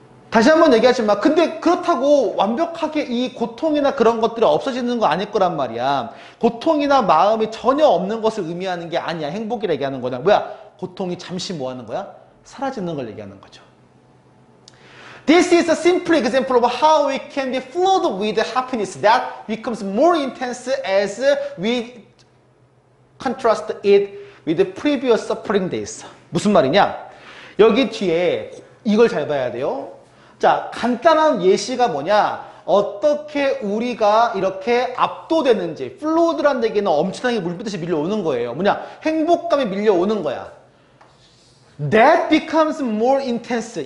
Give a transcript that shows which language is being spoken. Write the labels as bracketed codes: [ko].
[ko] 다시 한번 얘기하지만 근데 그렇다고 완벽하게 이 고통이나 그런 것들이 없어지는 거 아닐 거란 말이야. 고통이나 마음이 전혀 없는 것을 의미하는 게 아니야. 행복이라 얘기하는 거냐? 뭐야? 고통이 잠시 뭐 하는 거야? 사라지는 걸 얘기하는 거죠. [en] This is a simple example of how we can be flooded with happiness that becomes more intense as we contrast it with the previous suffering days. [ko] 무슨 말이냐? 여기 뒤에 이걸 잘 봐야 돼요. 자, 간단한 예시가 뭐냐? 어떻게 우리가 이렇게 압도되는지, flood란 얘기는 엄청나게 물비듯이 밀려오는 거예요. 뭐냐? 행복감이 밀려오는 거야. [en] That becomes more intense.